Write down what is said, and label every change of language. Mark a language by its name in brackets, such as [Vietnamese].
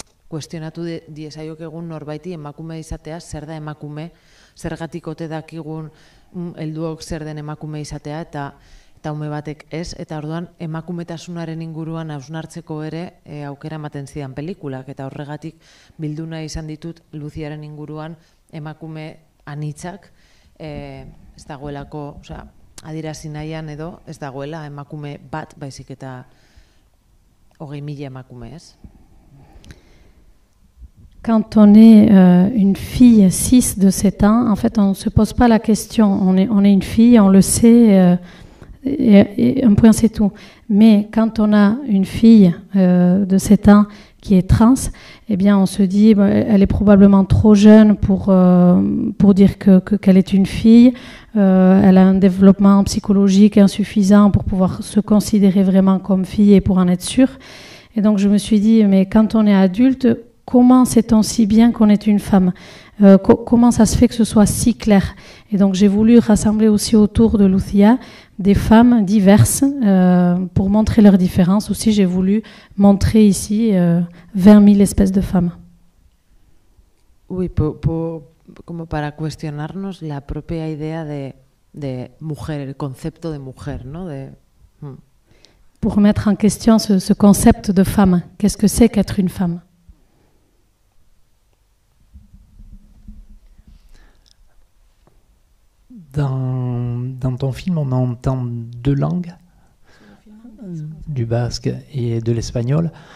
[Basque] kuestionatu diezaiokegun norbaiti emakume izatea, zer da emakume, zergatik ote dakigun helduok zer den emakume izatea, eta ume batek ez, eta orduan emakumetasunaren inguruan hausnartzeko ere aukera ematen zidan pelikulak, eta horregatik bilduna izan ditut Luziaren inguruan emakume anitzak, ez dagoelako, osea, adierazi nahian edo ez dagoela emakume bat, baizik eta 20.000 emakume, ez? [French] Quand on est une fille cis de 7 ans, en fait, on ne se pose pas la question. On est une fille, on le sait, et un point, c'est tout. Mais quand on a une fille de 7 ans qui est trans, eh bien, on se dit elle est probablement trop jeune pour dire qu'elle est une fille. Elle a un développement psychologique insuffisant pour pouvoir se considérer vraiment comme fille et pour en être sûre. Et donc, je me suis dit, mais quand on est adulte, comment sait-on si bien qu'on est une femme? Comment ça se fait que ce soit si clair? Et donc, j'ai voulu rassembler aussi autour de Luthia des femmes diverses pour montrer leurs différences. Aussi, j'ai voulu montrer ici 20.000 espèces de femmes. Oui, pour [Spanish] como para cuestionarnos la propia idea de mujer, el concepto de mujer, ¿no? [French] Pour mettre en question ce concept de femme. Qu'est-ce que c'est qu'être une femme? Dans ton film, on entend deux langues, du basque et de l'espagnol.